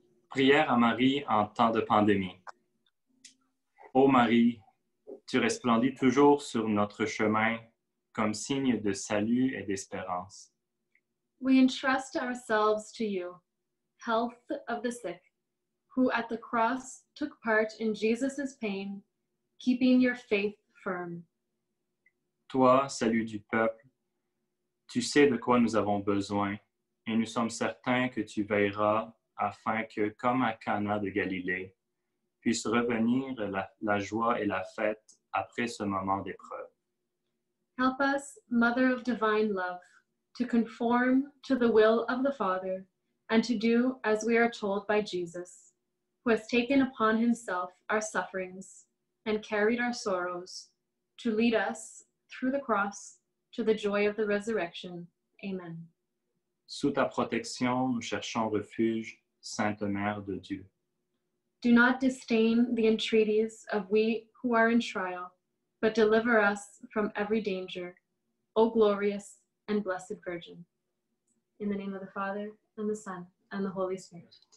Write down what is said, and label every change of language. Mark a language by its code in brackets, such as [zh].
[fr] Prière à Marie en temps de pandémie. Ô Marie, tu resplendis toujours sur notre chemin comme signe de salut et d'espérance. [en] We entrust ourselves to you, health of the sick, who at the cross took part in Jesus' pain, keeping your faith firm. [fr] Toi, salut du peuple, tu sais de quoi nous avons besoin, et nous sommes certains que tu veilleras afin que, comme à Cana de Galilée, puisse revenir la joie et la fête après ce moment d'épreuve. [en] Help us, Mother of Divine Love, to conform to the will of the Father and to do as we are told by Jesus, who has taken upon himself our sufferings and carried our sorrows, to lead us through the cross to the joy of the resurrection. Amen. [fr] Sous ta protection, nous cherchons refuge, Sainte Mère de Dieu. [en] Do not disdain the entreaties of we who are in trial, but deliver us from every danger. O glorious and blessed Virgin. In the name of the Father, and the Son, and the Holy Spirit.